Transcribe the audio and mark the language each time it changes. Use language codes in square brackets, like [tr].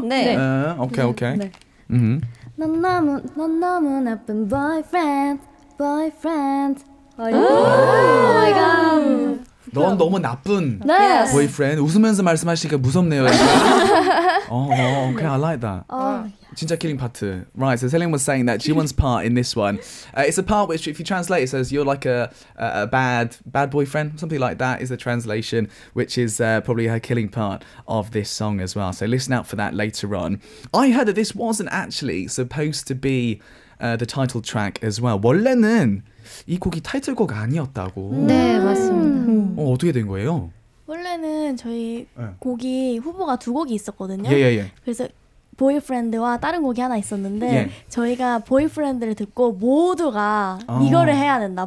[ko] 네. 오케이. 네. 넌 너무 나쁜 Boyfriend. Boyfriend. 오 마이 갓. 넌 너무 나쁜 Boyfriend. 웃으면서 말씀하시니까 무섭네요. [en] I like that. [ko] 진짜 [en] killing part. Right, so Selim was saying that Jiwon's part in this one, it's a part which, if you translate, it says you're like a bad boyfriend, something like that is the translation, which is probably her killing part of this song as well. So listen out for that later on. I heard that this wasn't actually supposed to be the title track as well. [ko] 원래는 이 곡이 타이틀곡 아니었다고. 네, 맞습니다. 어떻게 된 거예요? 원래는 저희 곡이 후보가 두 곡이 있었거든요. 예. 그래서 보이프렌드와 다른 곡이 하나 있었는데 저희가 보이프렌드를 듣고 모두가 이거를 해야 된다.